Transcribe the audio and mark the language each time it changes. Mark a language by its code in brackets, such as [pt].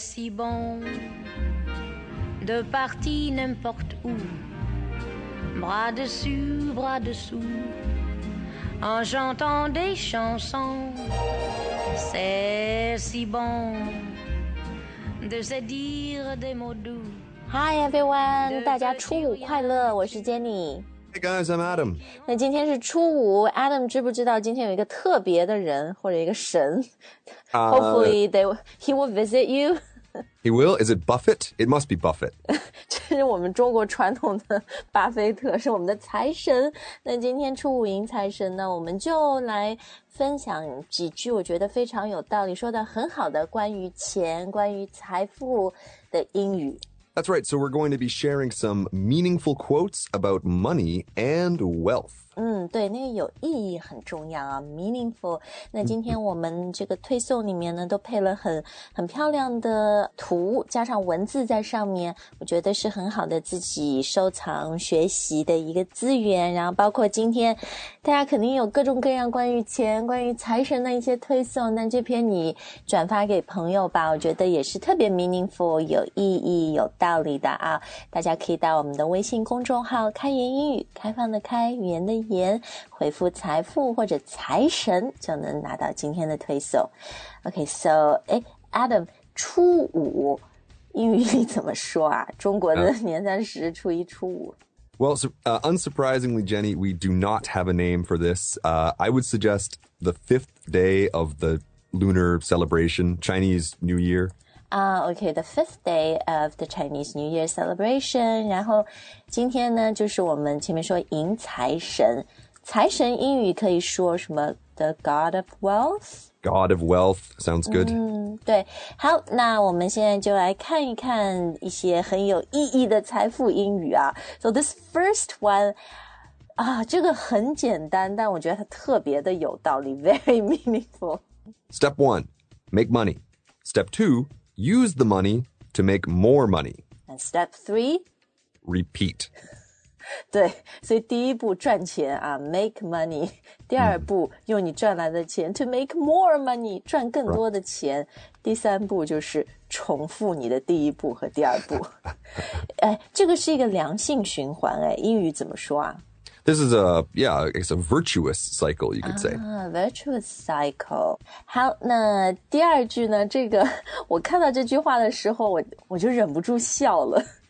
[fr] bon de partir n'importe où, bras dessus, bras dessous, en chantant des chansons. C'est si bon de se dire des mots doux. [en] Hi everyone, [zh] 大家初五快乐，我是 Jenny。 [en] Hey guys, I'm Adam. [zh] 那今天是初五， Adam 知不知道今天有一个特别的人或者一个神？ [en] Hopefully he will visit you. He will? Is it Buffett? It must be Buffett. [zh] 这是我们中国传统的巴菲特，是我们的财神。那今天初五迎财神呢，我们就来分享几句我觉得非常有道理，说得很好的关于钱、关于财富的英语。 [en] That's right, so we're going to be sharing some meaningful quotes about money and wealth. [zh] 嗯，对，那个有意义很重要啊， meaningful. 那今天我们这个推送里面呢，都配了很漂亮的图，加上文字在上面，我觉得是很好的自己收藏学习的一个资源。然后包括今天大家肯定有各种各样关于钱、关于财神的一些推送，那这篇你转发给朋友吧，我觉得也是特别 meaningful, 有意义、有道理的啊。大家可以到我们的微信公众号开言英语，开放的开，语言的言，回复财富或者财神就能拿到今天的推送。 [en] OK, so Adam, [zh] 初五英语里怎么说啊？中国的年三十，初一初五。 [en] Well, unsurprisingly, Jenny, we do not have a name for this. I would suggest the fifth day of the lunar celebration, Chinese New Year. Okay, the fifth day of the Chinese New Year celebration. [zh] 然后今天呢，就是我们前面说迎财神。财神英语可以说什么 ？ [en] The God of Wealth. [zh] God of Wealth sounds good. 对，好，那我们现在就来看一看一些很有意义的财富英语啊。 [en] So this first one, [zh] 啊，这个很简单，但我觉得它特别的有道理 ， [en] very meaningful. Step one, make money. Step two. Use the money to make more money. And step three? Repeat. [zh] 对，所以第一步赚钱啊 [en] make money. [zh] 第二步用你赚来的钱 [en] to make more money, [zh] 赚更多的钱。第三步就是重复你的第一步和第二步。这个是一个良性循环哎，英语怎么说啊？ [en] This is a virtuous cycle, you could say. Virtuous cycle. [zh] 好，那第二句呢，这个我看到这句话的时候，我就忍不住笑了。